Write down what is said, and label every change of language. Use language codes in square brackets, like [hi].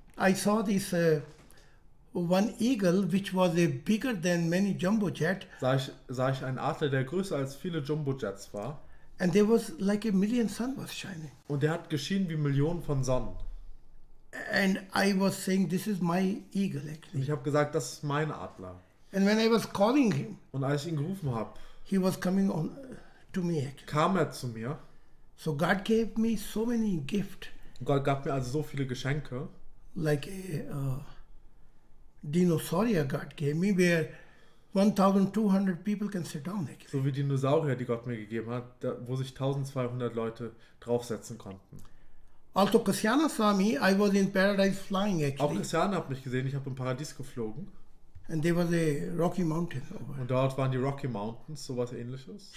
[en] I saw this one eagle, which was a bigger than many jumbo jet. [de] Sah ich einen Adler, der größer als viele Jumbo Jets war. [en] And there was like a million sun was shining. [de] Und der hat geschienen wie Millionen von Sonnen. [en] And I was saying, this is my eagle actually. [de] Und ich habe gesagt, das ist mein Adler. [en] And when I was calling him, [de] und als ich ihn gerufen habe, [en] he was coming on to me. [de] Kam er zu mir. [en] So God gave me so many gift. [de] Gott gab mir also so viele Geschenke. [en] Like a dinosaurier God gave me, where 1,200 people can sit down. [de] So wie Dinosaurier, die Gott mir gegeben hat, da, wo sich 1,200 Leute draufsetzen konnten. [en] Also Kasyana saw me, I was in paradise flying actually. [de] Auch Kasyana hat mich gesehen, ich habe im Paradies geflogen. [en] And there was a Rocky Mountain over. [de] Und dort waren die Rocky Mountains, sowas ähnliches.